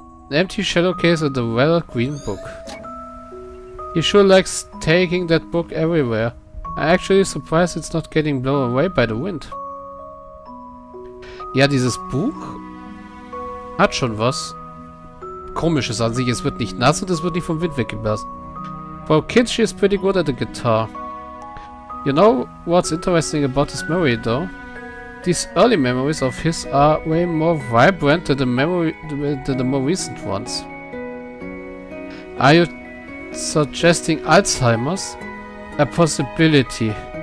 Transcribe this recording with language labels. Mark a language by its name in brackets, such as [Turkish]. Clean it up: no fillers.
[English] An empty shadow case and a rather green book. He sure likes taking that book everywhere. I'm actually surprised it's not getting blown away by the wind. [German] Ja, dieses Buch hat schon was Komisches an sich. Es wird nicht nass und es wird nicht vom Wind weggeblasen. [English] For kids, she is pretty good at the guitar. You know what's interesting about this memory, though? These early memories of his are way more vibrant than the more recent ones. Are you suggesting Alzheimer's? A possibility.